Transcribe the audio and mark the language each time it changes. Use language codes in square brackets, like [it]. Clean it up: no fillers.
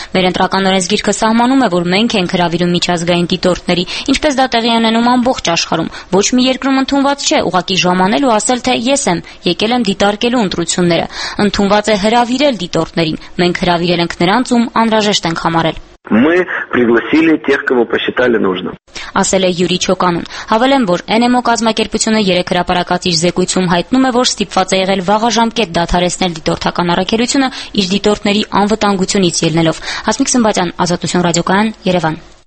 [hy] Մեր ընտրական օրենսգիրքը սահմանում է, որ մենք ենք հրավիրում միջազգային դիտորդների, ինչպես դա տեղի ունենում ամբողջ աշխարհում։ Ոչ մի երկրում ընդունված չէ ուղղակի ժամանել ու ասել, թե ես եմ, եկել եմ դիտարկելու ընտրությունները։ Ընդունված է հրավիրել դիտորդներին, մենք հրավիրել ենք նրանց, ում անհրաժեշտ ենք համարել։ [ru] Мы пригласили тех, кого посчитали нужным. [hy] Ասել է Յուրի Չոկանուն։ Հավելեմ, որ NMO կազմակերպությունը երեք հրապարակած իր զեկույցում հայտնում է, որ ստիպված է եղել վաղաժամկետ դադարեցնել դիտորդական առաքելությունը իր դիտորդների անվտանգությունից ելնելով։ Հասմիկ Սմբատյան, Ազատություն ռադիոկայան, Երևան։